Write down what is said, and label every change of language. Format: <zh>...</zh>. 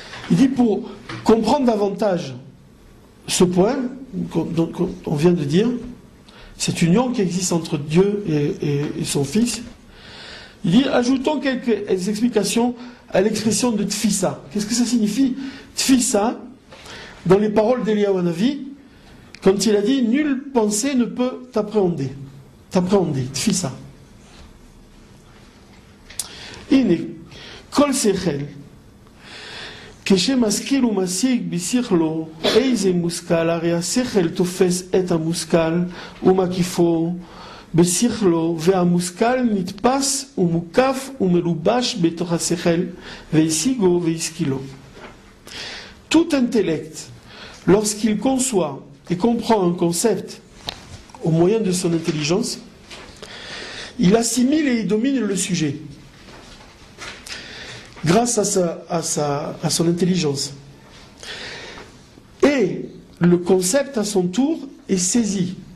<fr>Il dit pour comprendre davantage ce point qu'on vient de dire, cette union qui existe entre Dieu et son fils, il dit ajoutons quelques explications à l'expression de Tfissa. Qu'est-ce que ça signifie Tfissa dans les paroles d'Eliaou Hanavi, quand il a dit nulle pensée ne peut t'appréhender. T'appréhender, Tfissa.</fr> <he>הנה, כל שכל, כשמשכיל ומשיג בשכלו, איזה מושכל, הרי השכל תופס את המושכל ומקיפו בשכלו, והמושכל נתפס ומוקף ומלובש בתוך השכל, והשיגו והשכילו.</he> <fr>Tout intellect, lorsqu'il conçoit et comprend un concept au moyen de son intelligence, il assimile et domine le sujet. Grâce à son intelligence. Et le concept, à son tour, est saisi.</fr>